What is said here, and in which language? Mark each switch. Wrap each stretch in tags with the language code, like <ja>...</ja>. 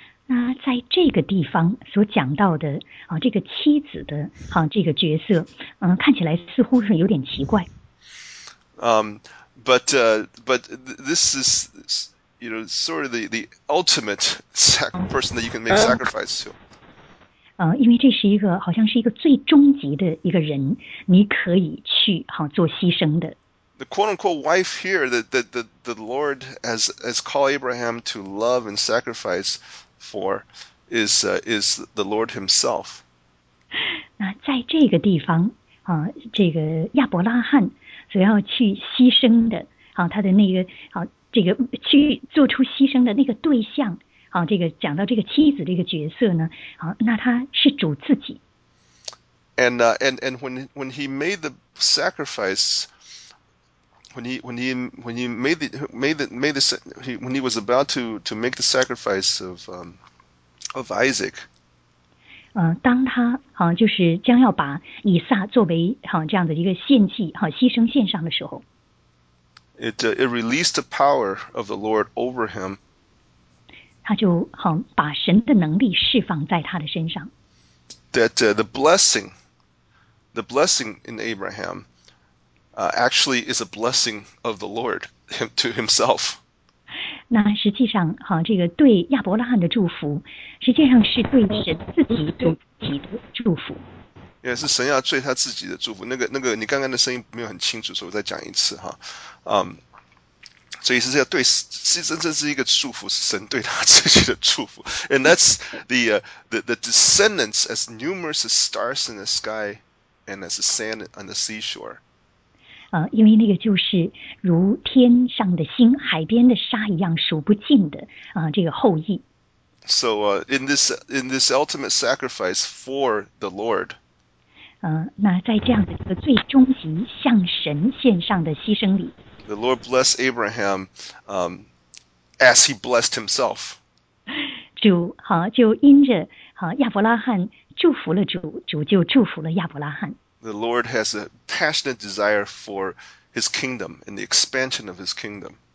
<zh>那在这个地方所讲到的这个妻子的这个角色看起来似乎是有点奇怪。</zh> <en>But this is, you know, sort of the ultimate person that you can make sacrifice to.</en> <zh>因为这是一个好像是一个最终极的一个人你可以去做牺牲的。</zh> <en>The quote-unquote wife here that the Lord has called Abraham to love and sacrifice,for is the Lord himself.</en> <zh>那在这个地方这个亚伯拉罕所要去牺牲的他的那个这个去做出牺牲的那个对象这个讲到这个妻子这个角色呢那他是主自己。</zh> <en>And when he made the sacrifice, When he was about to make the sacrifice of Isaac.</en> <zh>当他就是将要把以撒作为这样的一个献祭牺牲献上的时候。</zh> <en>It released the power of the Lord over him.</en> <zh>他就把神的能力释放在他的身上。</zh> <en>That the blessing in Abraham. Actually is a blessing of the Lord to himself.</en> <zh>那实际上这个对亚伯拉罕的祝福实际上是对神自己对自己的祝福。也是神要对他自己的祝福。那个你刚刚的声音没有很清楚所以我再讲一次哈。所以是要对真正是一个祝福是神对他自己的祝福。</zh> <en>And that's the descendants as numerous as stars in the sky and as the sand on the seashore.</en> <zh>因为那个就是如天上的星海边的沙一样数不尽的这个后裔。</zh> <en>So, in this ultimate sacrifice for the Lord.</en> <zh>那在这样的一个最终极向神献上的牺牲里。</zh> <en>The Lord blessed Abraham, as he blessed himself.</en> <zh>主就因着亚伯拉罕祝福了主，主就祝福了亚伯拉罕。</zh> <en>The Lord has a passionate desire for his kingdom and the expansion of his kingdom.</en>